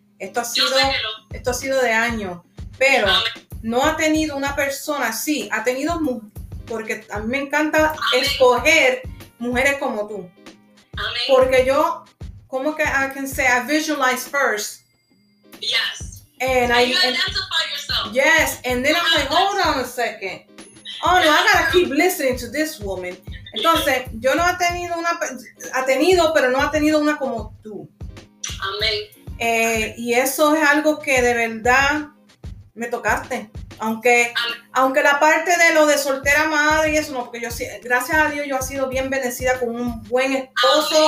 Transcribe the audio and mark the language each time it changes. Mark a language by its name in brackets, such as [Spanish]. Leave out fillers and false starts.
[Spanish] Esto ha sido de años, pero no ha tenido una persona así, ha tenido porque a mí me encanta escoger mujeres como tú. Amén. Porque yo, ¿cómo que [English] I can say? I visualize first. Yes. And you identify yourself. Yes, and then I'm like, hold on a second. Oh no, I gotta keep listening to this woman. [Spanish] Entonces, yo no ha tenido, pero no ha tenido una como tú. Amén. Y eso es algo que de verdad me tocaste. Aunque la parte de lo de soltera madre y eso no, porque yo, gracias a Dios, yo he sido bien bendecida con un buen esposo,